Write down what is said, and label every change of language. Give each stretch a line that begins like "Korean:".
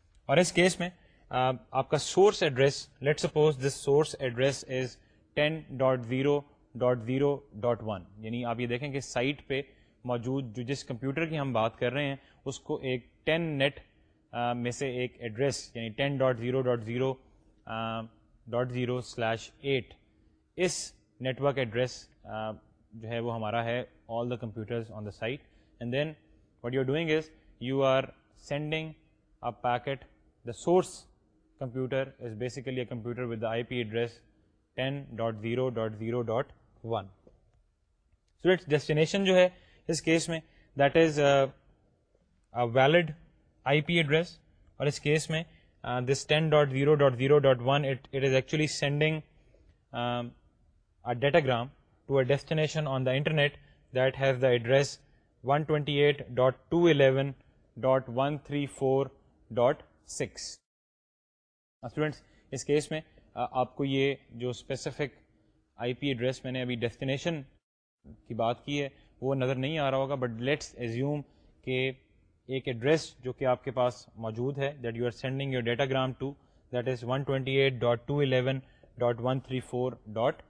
Urdu: اور اس کیس میں آپ کا source address
English: let suppose this source address is
Urdu: 10.0.0.1 یعنی آپ یہ دیکھیں کہ سائٹ پہ موجود جو جس کمپیوٹر کی ہم بات کر رہے ہیں اس کو ایک 10 نیٹ میں سے ایک ایڈریس یعنی 10.0.0.0/8 اس نیٹورک ایڈریس جو ہے وہ ہمارا ہے
English: all the computers on the site. And then what you are doing is you are sending a packet. The source computer is basically a computer with the IP address 10.0.0.1. So its destination
Urdu: jo hai is case mein,
English: that is a valid IP address. Aur is case mein this 10.0.0.1 it is actually sending a datagram to a destination on the internet that has the address 128.211.134.6.
Urdu: Students اس case میں آپ کو یہ جو specific I P address میں نے ابھی destination کی بات کی ہے وہ نظر نہیں آ رہا ہوگا
English: but let's assume
Urdu: کہ ایک ایڈریس جو کہ آپ کے پاس موجود ہے
English: that you are sending your datagram to that is
Urdu: 128.211.134.4.